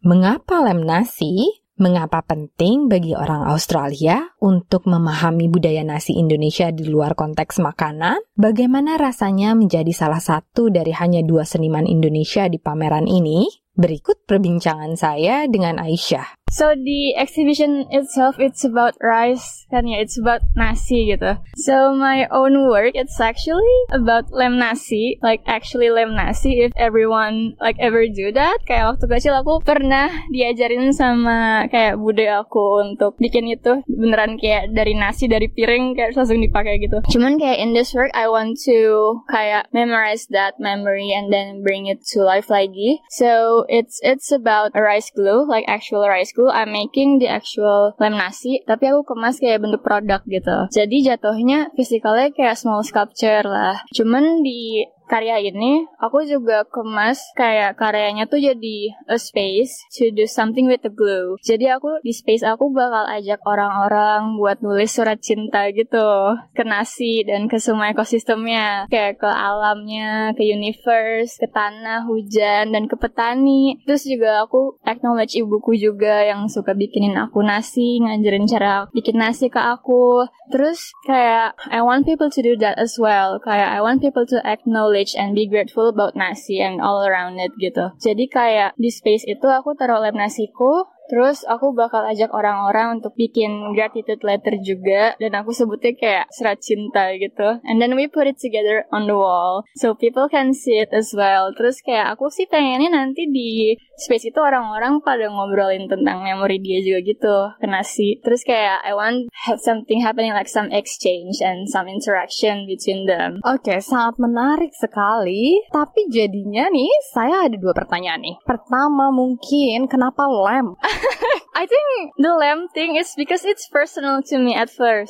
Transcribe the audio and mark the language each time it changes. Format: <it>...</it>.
<id>Mengapa lem nasi? Mengapa penting bagi orang Australia untuk memahami budaya nasi Indonesia di luar konteks makanan? Bagaimana rasanya menjadi salah satu dari hanya dua seniman Indonesia di pameran ini? Berikut perbincangan saya dengan Aisyah.</id> <en>So the exhibition itself, it's about rice,</en> <id>kan ya,</id> <en>it's about nasi gitu. So my own work, it's actually about lem nasi, like actually lem nasi, if everyone like ever do that.</en> <id>Kayak waktu kecil aku pernah diajarin sama kayak bude aku untuk bikin itu, beneran kayak dari nasi, dari piring, kayak langsung dipakai gitu. Cuman kayak</id> <en>in this work, I want to kayak memorize that memory and then bring it to life lagi. So it's about a rice glue, like actual rice glue. I'm making the actual</en> <id>lem nasi, tapi aku kemas kayak bentuk produk gitu. Jadi jatuhnya fisikalnya kayak small sculpture lah. Cuman di karya ini, aku juga kemas kayak karyanya tuh jadi</id> <en>a space to do something with the glue.</en> <id>Jadi aku, di space aku bakal ajak orang-orang buat nulis surat cinta gitu, ke nasi dan ke semua ekosistemnya. Kayak ke alamnya, ke universe, ke tanah, hujan, dan ke petani. Terus juga aku acknowledge ibuku juga yang suka bikinin aku nasi, ngajarin cara bikin nasi ke aku. Terus kayak,</id> <en>I want people to do that as well. Kayak, I want people to acknowledge and be grateful about nasi and all around it gitu.</en> <id>Jadi kayak di space itu aku taruh lem nasiku, terus aku bakal ajak orang-orang untuk bikin gratitude letter juga, dan aku sebutnya kayak surat cinta gitu.</id> <en>And then we put it together on the wall so people can see it as well.</en> <id>Terus kayak aku sih pengennya nanti di space itu orang-orang pada ngobrolin tentang memori dia juga gitu ke nasi. Terus kayak</id> <en>I want have something happening like some exchange and some interaction between them.</en> <id>Oke, sangat menarik sekali. Tapi jadinya nih, saya ada dua pertanyaan nih. Pertama mungkin, kenapa lem?</id> <en>I think the lem thing is because it's personal to me at first.</en>